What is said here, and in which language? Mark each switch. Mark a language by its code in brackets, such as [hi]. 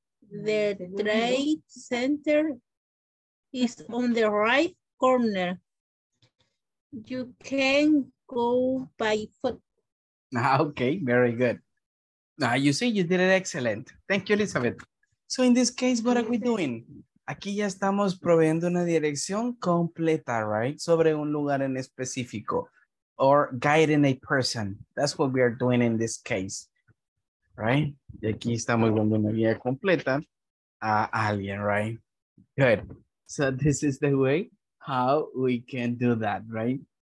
[en] The trade center is on the right corner. You can go by foot. Okay, very good. Ah, you see, you did it excellent. Thank you, Elizabeth. So in this case, what are we doing? [es] Aquí ya estamos proveyendo una dirección completa, right? Sobre un lugar en específico. [en] Or guiding a person. That's what we are doing in this case. Right? [es] Y aquí estamos dando una guía completa a alguien, right? [en] Good. So this is the way how we can do that, right?